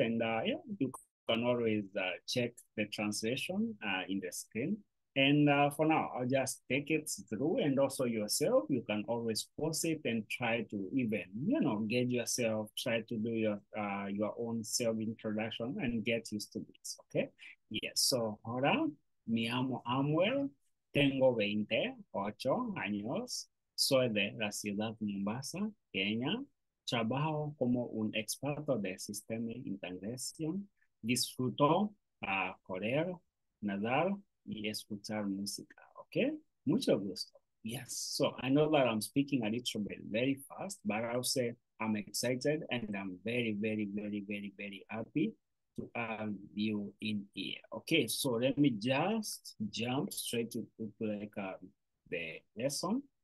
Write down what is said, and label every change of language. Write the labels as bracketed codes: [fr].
[en] And yeah, you can always check the translation in the screen. And for now, I'll just take it through, and also yourself, you can always pause it and try to even, get yourself, try to do your own self-introduction and get used to this, okay? [es] Yes, so, hola, me llamo Amuel, tengo 28 años, soy de la ciudad de Mombasa, Kenya, trabajo como un experto de sistema de integración, disfruto correr, nadar, y escuchar música, okay? Mucho gusto. [en] Yes, so I know that I'm speaking a little bit very fast, but I'll say I'm excited and I'm very, very, very, very, very happy to have you in here. Okay, so let me just jump straight to like the lesson.